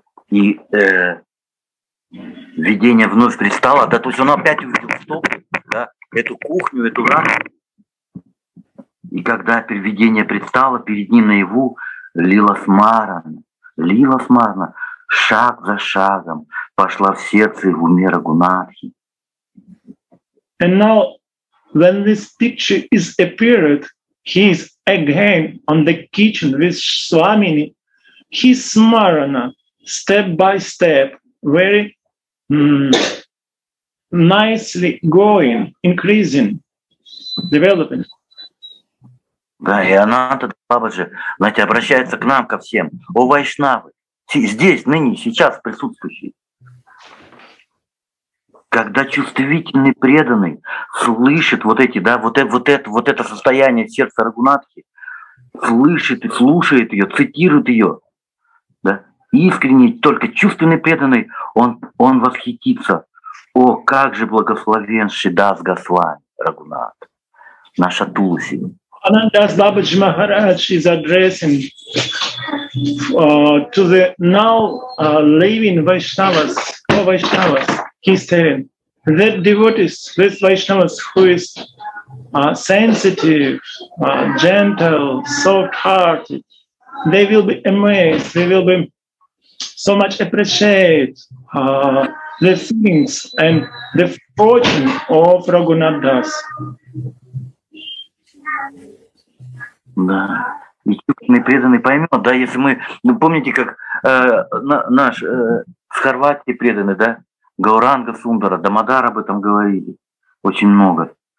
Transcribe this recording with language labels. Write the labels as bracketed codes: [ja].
[ru] И видение вновь пристало, да, то есть он опять увидел стоп, да, эту кухню, эту рану. И когда видение предстало, перед ним наяву лила смарана, шаг за шагом, пошла в сердце и в уме Рагунатхи. [en] And now, when this picture is appeared, he is again on the kitchen with Swamini, his smarana, step by step, very nicely going, increasing, developing. [ru] Да, и Ананта Бабаджи, знаете, обращается к нам, ко всем. О, вайшнавы, здесь, ныне, сейчас, присутствующие. Когда чувствительный преданный слышит вот эти, да, вот это состояние сердца Рагунатхи, слышит и слушает ее, цитирует ее, да, искренне, только чувственный преданный, он восхитится. О, как же благословен Шридас Госвами Рагунат, наша Туласи. [en] Анандас Бабаджи Махарадж is addressing to the now living Vaishnavas, Vaishnavas, he's telling. That devotees, this Vaishnavas who is sensitive, gentle, soft-hearted, they will be amazed, they will be so much appreciate the things and the fortune of Raghunath Das. [ru] Да. И чувственный преданный поймет, да, если мы, ну, помните, как наш с Хорватии преданный, да, Гауранга Сундара, Дамодар об этом говорили очень много.